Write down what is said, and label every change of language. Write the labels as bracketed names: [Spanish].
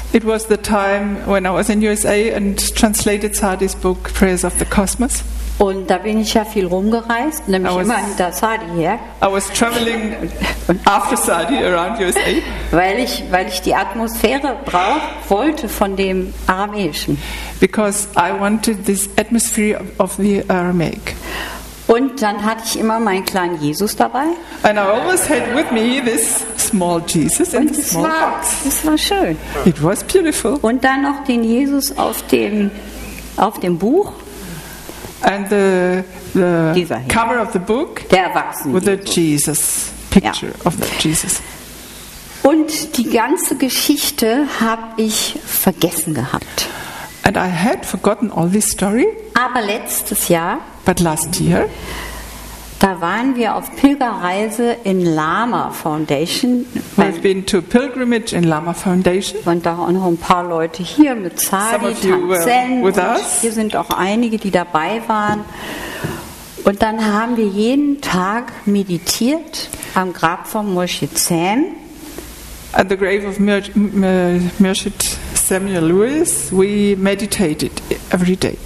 [English] It was the time when I was in USA and translated Sadis' book, Prayers of the Cosmos. [German] Und da bin ich ja viel rumgereist, nämlich immer hinter Sadi her. [English] I was traveling after Sadi around USA. [German] Weil ich die Atmosphäre brauchte, wollte von dem Aramäischen. [English] Because I wanted this atmosphere of the Aramaic. [German] Und dann hatte ich immer meinen kleinen Jesus dabei. [English] And I always had with me this small Jesus in the small box. [German] Das war schön. [English] It was beautiful. [German] Und dann noch den Jesus auf dem Buch. [English] And the cover of the book, [German] der Erwachsene, [English] with the Jesus picture, [German] ja, [English] of the Jesus. [German] Und die ganze Geschichte habe ich vergessen gehabt. [English] And I had forgotten all this story. [German] Aber letztes Jahr, [English] but last year, [German] da waren wir auf Pilgerreise in Lama Foundation. [English] We've been to a pilgrimage in Lama Foundation. [German] Und da waren noch ein paar Leute hier mit Sadi, Tanzen. [English] With us. [German] Hier sind auch einige, die dabei waren. Und dann haben wir jeden Tag meditiert am Grab von Murshid Sam. [English] At the grave of Murshid Samuel Lewis, we meditated every day.